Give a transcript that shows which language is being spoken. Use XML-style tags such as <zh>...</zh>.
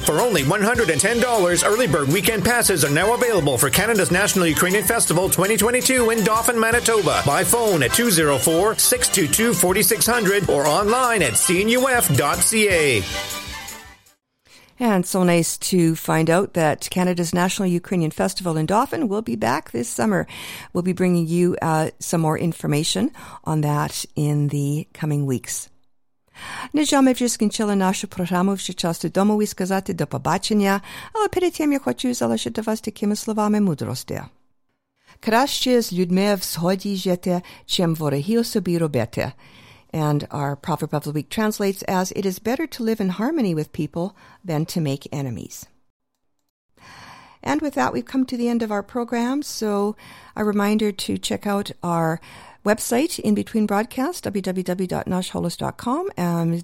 <en>For only $110, early bird weekend passes are now available for Canada's National Ukrainian Festival 2022 in Dauphin, Manitoba by phone at 204-622-4600 or online at cnuf.ca. And so nice to find out that Canada's National Ukrainian Festival in Dauphin will be back this summer. We'll be bringing you some more information on that in the coming weeks.</en> <uk>Нежами вже скінчили нашу програму. Вже час домовий сказати до побачення. Але перед тим я хочу залишити вас такими словами мудрості. Краще з людьми в згоді жити, чим вороги собі робити.</uk> <en>And our Proverb of the Week translates as, it is better to live in harmony with people than to make enemies. And with that, we've come to the end of our program. So a reminder to check out our website, In Between Broadcast, www.noshholos.com.</en>